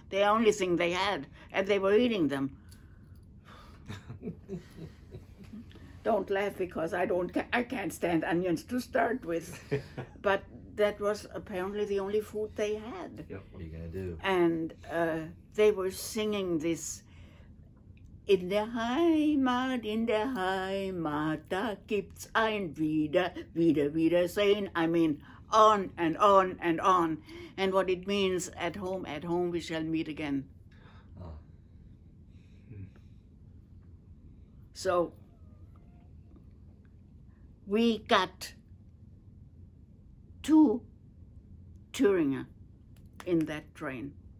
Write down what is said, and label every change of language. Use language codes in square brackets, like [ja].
[en] The only thing they had, and they were eating them. Don't laugh, because I can't stand onions to start with. But that was apparently the only food they had. Yep. What are you gonna do? And they were singing this. [de] In der Heimat, in der Heimat, da gibt's ein Wiedersehen. [en] I mean, on and on and on. And what it means, at home we shall meet again. So, we got to Thuringia in that train.